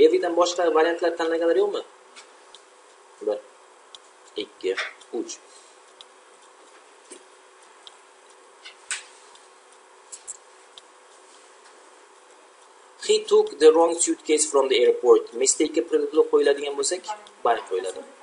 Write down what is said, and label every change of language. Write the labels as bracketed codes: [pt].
[uz] Everydan boshqa variantlar tanlaganlar yo'qmi? [en] 1 2 3 He took the wrong suitcase from the airport. [uz] Mistake predlog qo'yiladigan bo'lsak, bari qo'yiladi.